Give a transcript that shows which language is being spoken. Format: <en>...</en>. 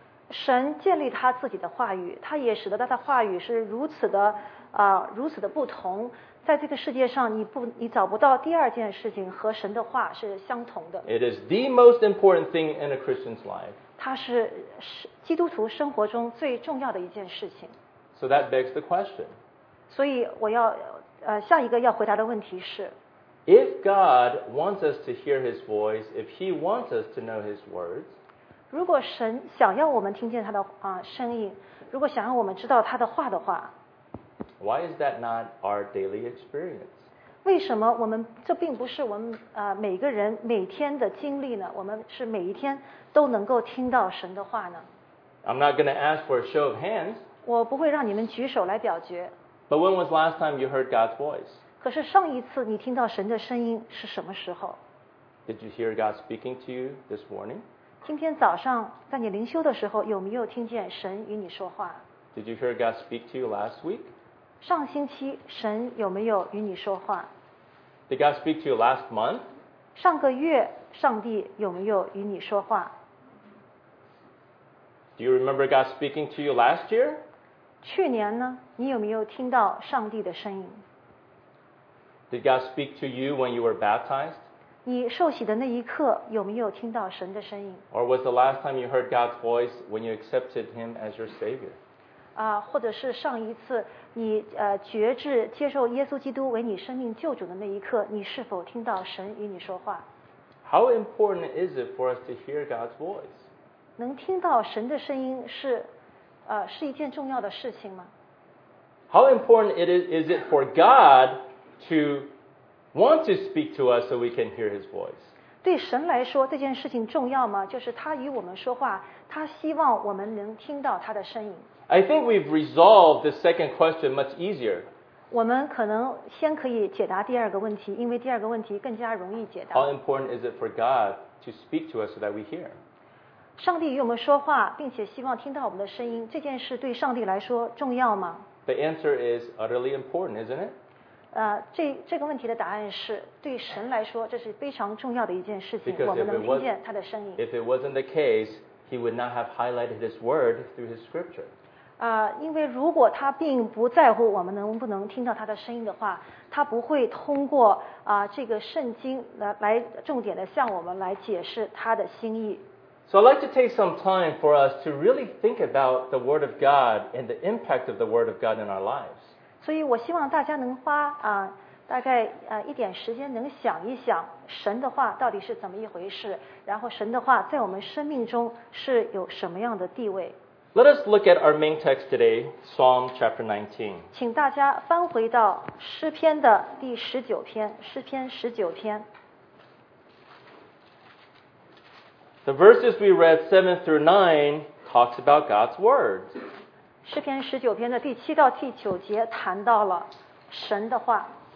<zh>神建立他自己的话语，他也使得他的话语是如此的，如此的不同，在这个世界上你找不到第二件事情和神的话是相同的。</zh> <en>It is the most important thing in a Christian's life.</en> <zh>它是基督徒生活中最重要的一件事情。</zh> <en>So that begs the question.</en> <zh>所以我要下一个要回答的问题是，</zh> <en>If God wants us to hear his voice, if he wants us to know his words,</en> <zh>如果神想要我们听见他的声音，如果想要我们知道他的话的话，</zh> <en>Why is that not our daily experience?</en> <zh>为什么我们这并不是我们每个人每天的经历呢？我们是每一天都能够听到神的话呢？</zh> <en>I'm not going to ask for a show of hands.</en> <zh>我不会让你们举手来表决。</zh> <en>But when was last time you heard God's voice?</en> <zh>可是上一次你听到神的声音是什么时候？</zh> <en>Did you hear God speaking to you this morning?</en> <zh>今天早上在你灵修的时候，有没有听见神与你说话？</zh> <en>Did you hear God speak to you last week?</en> <zh>上星期神有没有与你说话？</zh> <en>Did God speak to you last month?</en> <zh>上个月上帝有没有与你说话？</zh> <en>Do you remember God speaking to you last year?</en> <zh>去年呢，你有没有听到上帝的声音？</zh> <en>Did God speak to you when you were baptized?</en> <zh>你受洗的那一刻有没有听到神的声音？</zh> <en>Or was the last time you heard God's voice when you accepted him as your savior?</en> <zh>或者是上一次你觉知接受耶稣基督为你生命救主的那一刻，你是否听到神与你说话？</zh> <en>How important is it for us to hear God's voice?</en> <zh>能听到神的声音是一件重要的事情吗？</zh> <en>How important is it for God to want to speak to us so we can hear his voice?</en> <zh>对神来说这件事情重要吗？就是他与我们说话，他希望我们能听到他的声音。</zh> <en>I think we've resolved the second question much easier.</en> <zh>我们可能先可以解答第二个问题，因为第二个问题更加容易解答。</zh> <en>How important is it for God to speak to us so that we hear?</en> <zh>上帝与我们说话，并且希望听到我们的声音，这件事对上帝来说重要吗？</zh> <en>The answer is utterly important, isn't it?</en> <zh>这个问题的答案是，对神来说，这是非常重要的一件事情，我们能听见他的声音。</zh> <en>If it wasn't the case, he would not have highlighted his word through his scripture.</en> <zh>因为如果他并不在乎我们能不能听到他的声音的话，他不会通过这个圣经 来重点的向我们来解释他的心意。</zh> <en>So I'd like to take some time for us to really think about the word of God and the impact of the word of God in our lives.</en> <zh>所以我希望大家能花大概一点时间能想一想神的话到底是怎么一回事，然后神的话在我们生命中是有什么样的地位。</zh> <en>Let us look at our main text today, Psalm chapter 19.</en> <zh>请大家翻回到诗篇的第十九篇，诗篇十九篇。</zh> <en>The verses we read 7 through 9 talks about God's word.</en> <zh>诗篇十九篇的第七到第九节谈到了神的话。</zh>